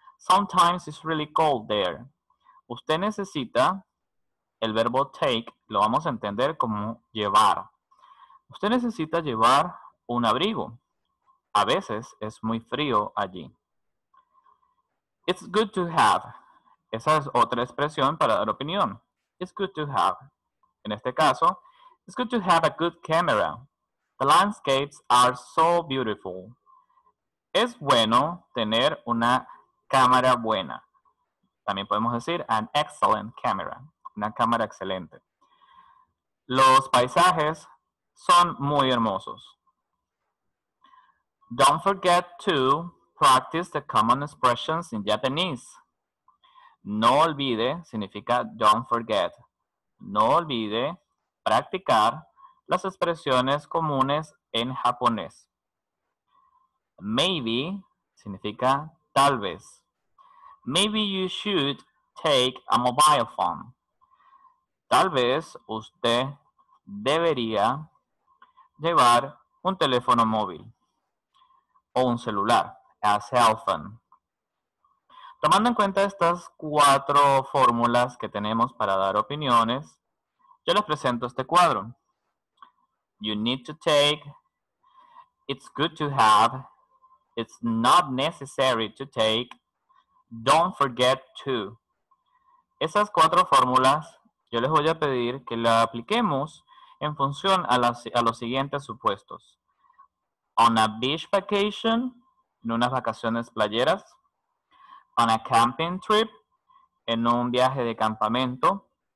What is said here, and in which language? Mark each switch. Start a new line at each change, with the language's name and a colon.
English: Sometimes it's really cold there.
Spanish: Usted necesita. El verbo take lo vamos a entender como llevar. Usted necesita llevar un abrigo. A veces es muy frío allí.
English: It's good to have.
Spanish: Esa es otra expresión para dar opinión.
English: It's good to have.
Spanish: En este caso,
English: it's good to have a good camera. The landscapes are so beautiful.
Spanish: Es bueno tener una cámara buena. También podemos decir
English: an excellent camera.
Spanish: Una cámara excelente. Los paisajes son muy hermosos.
English: Don't forget to practice the common expressions in Japanese.
Spanish: No olvide, significa
English: don't forget.
Spanish: No olvide practicar las expresiones comunes en japonés. Maybe significa tal vez.
English: Maybe you should take a mobile phone.
Spanish: Tal vez usted debería llevar un teléfono móvil o un celular,
English: a cell phone.
Spanish: Tomando en cuenta estas cuatro fórmulas que tenemos para dar opiniones, yo les presento este cuadro.
English: You need to take, it's good to have, it's not necessary to take, don't forget to.
Spanish: Esas cuatro fórmulas. Yo les voy a pedir que la apliquemos en función a los siguientes supuestos.
English: On a beach vacation,
Spanish: en unas vacaciones playeras.
English: On a camping trip,
Spanish: en un viaje de campamento.